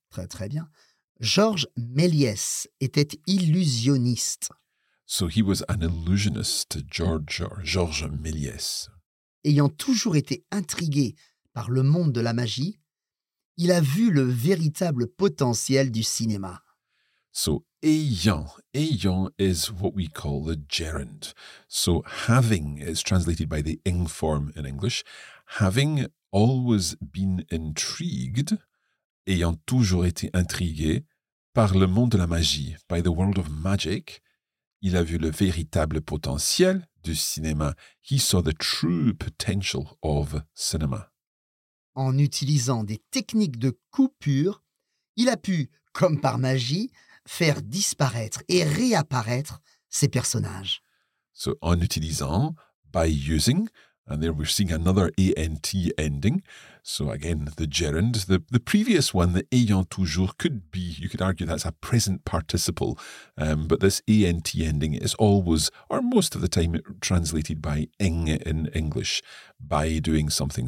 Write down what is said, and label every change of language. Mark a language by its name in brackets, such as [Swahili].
[French] Très, très bien. Georges Méliès était illusionniste. [English] So, he was an illusionist, Georges Méliès. [French] Ayant toujours été intrigué par le monde de la magie, il a vu le véritable potentiel du cinéma. [English] So, ayant is what we call the gerund. So, having is translated by the ing form in English. Having always been intrigued, [French] ayant toujours été intrigué par le monde de la magie, [English] by the world of magic, [French] il a vu le véritable potentiel du cinéma. [English] He saw the true potential of cinema. [French] En utilisant des techniques de coupure, il a pu, comme par magie, faire disparaître et réapparaître ses personnages. [English] So, [French] en utilisant, [English] by using, and there we're seeing another ant ending. So again, the gerund, the previous one, the [French] ayant toujours, [English] could be, you could argue that's a present participle, but this ant ending is always, or most of the time, translated by ing in English, by doing something.